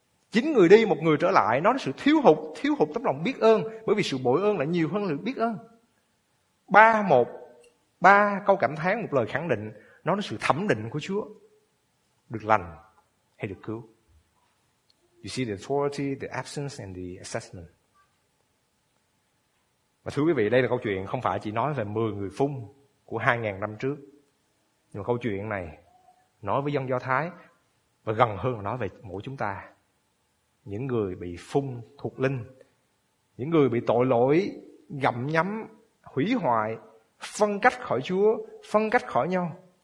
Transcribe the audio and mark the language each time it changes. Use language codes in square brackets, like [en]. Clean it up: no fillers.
[vi] 9 người đi, 1 người trở lại, nói đến sự thiếu hụt tấm lòng biết ơn, bởi vì sự bội ơn lại nhiều hơn lượng biết ơn. 3, 1, 3 câu cảm thán, 1 lời khẳng định, nói đến sự thẩm định của Chúa, được lành hay được cứu. [en] You see the authority, the absence and the assessment. [vi] Và thưa quý vị, đây là câu chuyện không phải chỉ nói về 10 người phung của 2000 năm trước. Nhưng mà câu chuyện này nói với dân Do Thái, và gần hơn là nói về mỗi chúng ta. Những người bị phung thuộc linh, những người bị tội lỗi gặm nhấm, hủy hoại, phân cách khỏi Chúa, phân cách khỏi nhau.